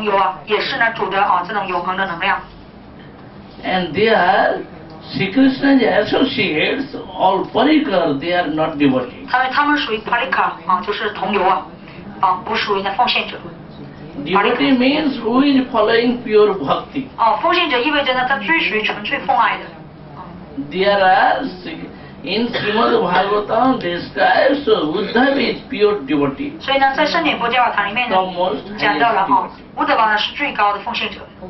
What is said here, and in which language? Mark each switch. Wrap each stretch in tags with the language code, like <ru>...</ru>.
<zh>因为他们是呢，主的永恒的同游，也是呢主的这种永恒的能量。</zh> <en>And they are Sri Krishna's associates, all parikar, they are not devotees.</en> <zh>他们属于 parikar, 就是同游，不属于奉献者。</zh> <en>Devotee means who is following pure bhakti.</en> <zh>奉献者意味着他追随纯粹奉爱的。</zh> <en>There are, in Srimad Bhagavatam describes Uddhava is pure devotee.</en> <zh>所以呢，在圣典佛教堂里面讲到了，乌德瓦是最高的奉献者。</zh>